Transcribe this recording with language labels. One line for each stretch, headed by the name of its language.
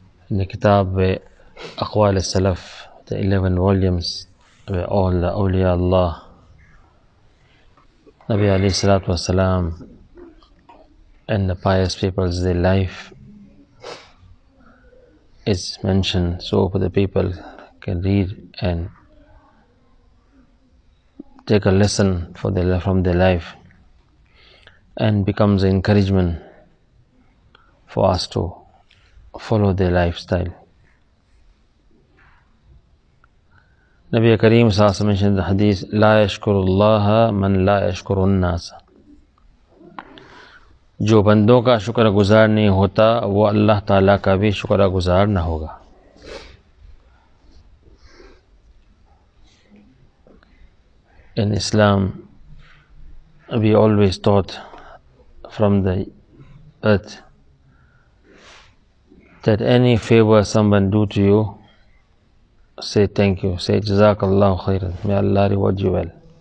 English: In the kitab Aqwal al-Salaf, the 11 volumes of all the Awliya Allah, Nabi alayhi salatu wa salam, and the pious people's their life is mentioned, so for the people can read and take a lesson for their, from their life, and becomes an encouragement for us to follow their lifestyle. Nabi Kareem also mentioned the hadith,
Arabic: لا يشكر الله من لا يشكر الناس.
Urdu: جو بندوں کا شکر گزار نہیں ہوتا وہ اللہ تعالیٰ کا بھی شکر گزار نہ ہوگا.
English: In Islam, we always taught from the earth that any favor someone do to you, say thank you, say Jazakallahu khairan, may Allah reward you well.